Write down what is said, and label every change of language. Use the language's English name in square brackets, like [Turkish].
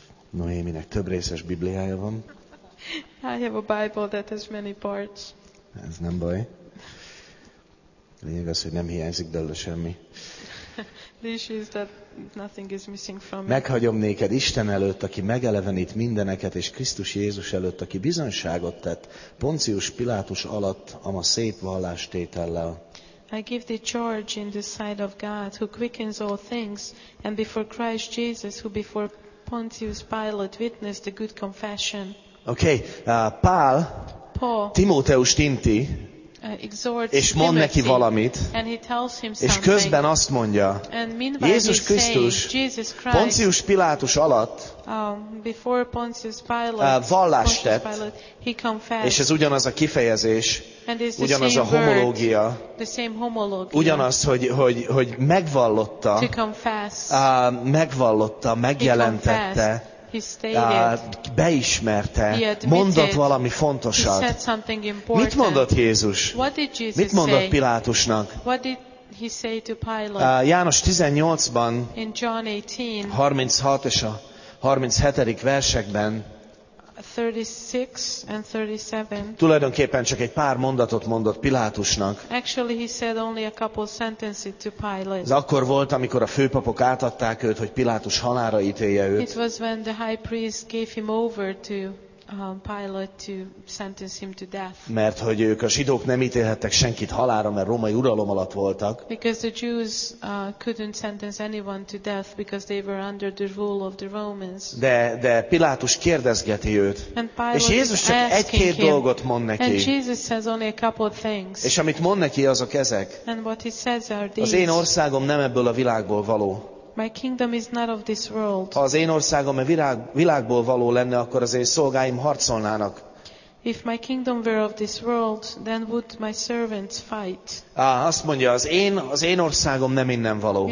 [Hungarian] Noéminek több részes Bibliája van. [English] I have a Bible that has many parts. [Hungarian] Ez nem baj. Lényeg az, hogy nem hiányzik belőle semmi. [English] The issue is that nothing is missing from it. [Hungarian] Meghagyom néked Isten előtt, aki megelevenít mindeneket, és Krisztus Jézus előtt, aki bizonyságot tett Poncius Pilátus alatt, ama szép vallástétellel. [English] I give thee charge in the sight of God, who quickens all things, and before Christ Jesus, who before Pontius Pilate witnessed the good confession. Okay, Paul, [Hungarian] Timóteus tinti, és mond neki valamit, [English] and he tells him [Hungarian] és közben azt mondja, Jézus Krisztus, Pontius Pilátus alatt [English] before Pontius Pilate, [Hungarian] vallást tett, [English] Pontius Pilate, he confessed, [Hungarian] és ez ugyanaz a kifejezés, ugyanaz a homológia, ugyanaz, hogy megvallotta, [English] to confess, [Hungarian] megvallotta, megjelentette, beismerte, mondott valami fontosat. [English] He said something important. [Hungarian] Mit mondott Jézus? [English] What did Jesus [Hungarian] mit mondott [English] say? [Hungarian] Pilátusnak? [English] What did he say to Pilate? [Hungarian] János 18-ban, [English] in John 18, [Hungarian] 36 és a 37. versekben [English] 36 and 37. [Hungarian] Tulajdonképpen csak egy pár mondatot mondott Pilátusnak. [English] Actually he said only a couple sentences to Pilate. [Hungarian] Ez akkor volt, amikor a főpapok átadták őt, hogy Pilátus halálra ítélje őt. [English] It was when the high priest gave him over to Pilate to sentence him to death. [Hungarian] Mert hogy ők a zsidók nem ítélhettek senkit halálra, mert római uralom alatt voltak. [English] Because the Jews couldn't sentence anyone to death because they were under the rule of the Romans. [Hungarian] De Pilátus kérdezgeti őt. [English] And Pilate [Hungarian] és Jézus csak egy-két dolgot mond neki. [English] And Jesus says only a couple of things. [Hungarian] És amit mond neki, azok ezek. [English] And what he says are these. [Hungarian] Az én országom nem ebből a világból való. [English] My kingdom is not of this world. [Hungarian] Ha az én országom a világból való lenne, akkor az én szolgáim harcolnának. [English] If my kingdom were of this world, then would my servants fight? [Hungarian] Azt mondja, az én országom nem innen való.